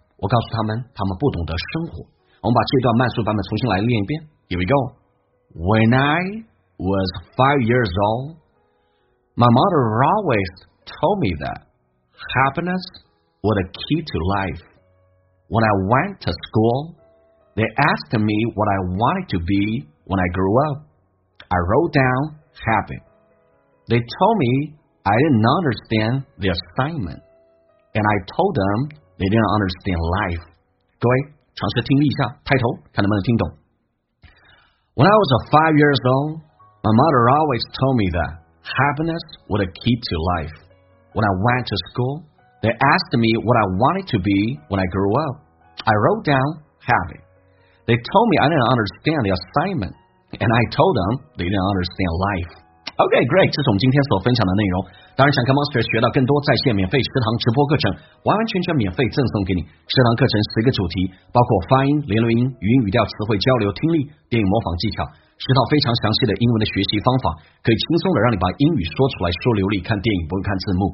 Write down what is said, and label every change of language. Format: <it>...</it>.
<zh>我告诉他们，他们不懂得生活。我们把这段慢速版本重新来练一遍。</zh> <en>Here we go. When I was 5 years old, my mother always told me that happiness was the key to life. When I went to school, they asked me what I wanted to be when I grew up. I wrote down happy. They told me I didn't understand the assignment. And I told them they didn't understand life.</en> <zh>各位，尝试听力一下，抬头看能不能听懂。</zh> <en>When I was 5 years old, my mother always told me that happiness was the key to life. When I went to school, they asked me what I wanted to be when I grew up. I wrote down happy. They told me I didn't understand the assignment. And I told them they didn't understand life. OK, great,</en> <zh>这是我们今天所分享的内容。当然想跟 Monster 学到更多在线免费食堂直播课程，完完全全免费赠送给你。食堂课程十个主题，包括发音、连轮音、语音语调、词汇交流、听力、电影模仿技巧，十套非常详细的英文的学习方法，可以轻松的让你把英语说出来，说流利，看电影不用看字幕。</zh>